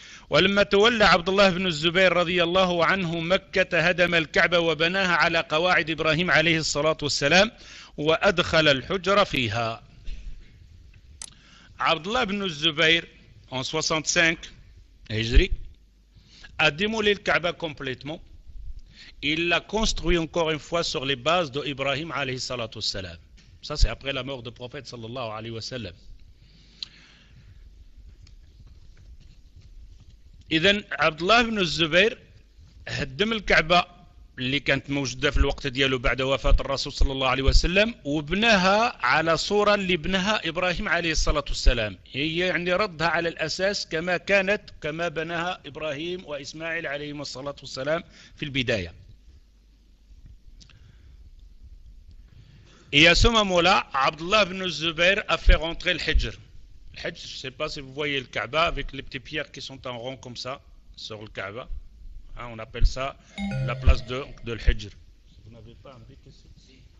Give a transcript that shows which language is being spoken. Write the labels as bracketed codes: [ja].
[ar] ولما تولى عبد الله بن الزبير رضي الله عنه مكة هدم الكعبة وبناها على قواعد إبراهيم عليه الصلاة والسلام وأدخل الحجر فيها. عبد الله بن الزبير [fr] en 65 هجري a démoli la Kaaba complètement. Il l'a construit encore une fois sur les bases de Ibrahim [ar] عليه الصلاة والسلام. [fr] Ça c'est après la mort du prophète [ar] صلى الله عليه وسلم. إذن عبد الله بن الزبير هدم الكعبة اللي كانت موجودة في الوقت دياله بعد وفاة الرسول صلى الله عليه وسلم وبنها على صورة اللي بنها إبراهيم عليه الصلاة والسلام، هي يعني ردها على الأساس كما كانت، كما بناها إبراهيم وإسماعيل عليهم الصلاة والسلام في البداية. [fr] Et à ce moment-là, Abdullah ibn Zubayr a fait rentrer الحجر. الحجر، je ne sais pas si vous voyez le Kaaba avec les petites pierres qui sont en rond comme ça sur le Kaaba. On appelle ça la place de l'Hijr. Vous n'avez pas un bic ici? Si.